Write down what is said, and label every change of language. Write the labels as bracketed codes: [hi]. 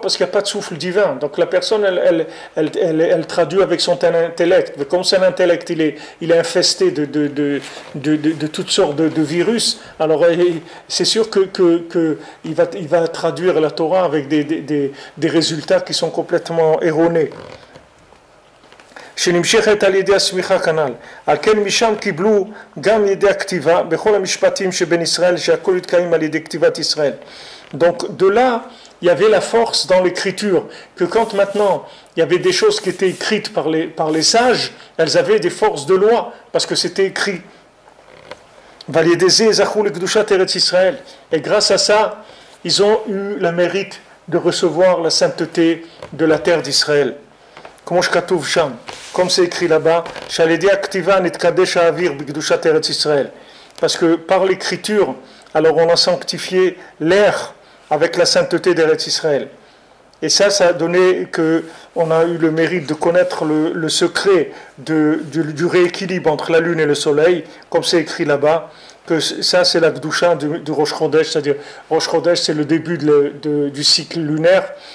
[fr] Parce qu'il n'y a pas de souffle divin. Donc la personne, elle traduit avec son intellect. Mais comme son intellect, il est infesté de toutes sortes de virus, alors c'est sûr qu'il va traduire la Torah avec des résultats qui sont complètement erronés. [he] שנמשכת על ידי הסמיכה כנ"ל. על כן משם קיבלו גם ידי הכתיבה בכל המשפטים שבין ישראל שהכל יתקיים על ידי כתיבת ישראל. [fr] Donc de là, il y avait la force dans l'écriture, que quand maintenant il y avait des choses qui étaient écrites par les sages, elles avaient des forces de loi, parce que c'était écrit. Validezé, Zachou, le Kdushat Eretz Israël. Et grâce à ça, ils ont eu le mérite de recevoir la sainteté de la terre d'Israël. [he] כמו שכתוב שם, [fr] comme c'est écrit là-bas, [he] שעל ידי הכתיבה נתקדש האוויר בקדושת ארץ ישראל. [fr] Parce que par l'écriture, alors on a sanctifié l'air avec la sainteté d'Eretz Israël. Et ça a donné qu'on a eu le mérite de connaître le secret du rééquilibre entre la lune et le soleil, comme c'est écrit là-bas, que ça c'est la Kedusha du Rosh Chodesh, c'est-à-dire Rosh Chodesh c'est le début du cycle lunaire.